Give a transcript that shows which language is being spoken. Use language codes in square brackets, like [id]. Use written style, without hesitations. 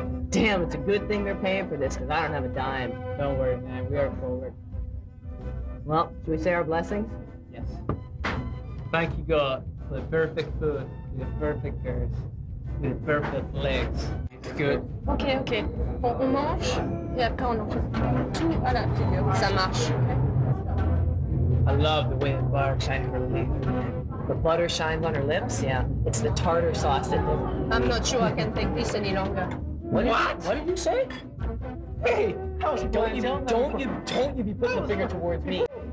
[en] Damn, it's a good thing they're paying for this, because I don't have a dime. Don't worry, man. We are forward. Well, should we say our blessings? Yes. Thank you, God, for the perfect food, the perfect girls, the perfect legs. It's good. Okay. [fr] On mange, et après on en fait tout à la figure. Ça marche. [en] I love the way the butter shines on her lips. The butter shines on her lips? Yeah. It's the tartar sauce that does. I'm not sure I can take this any longer. What did you say? Hey, how was it? Don't you be putting the finger towards me.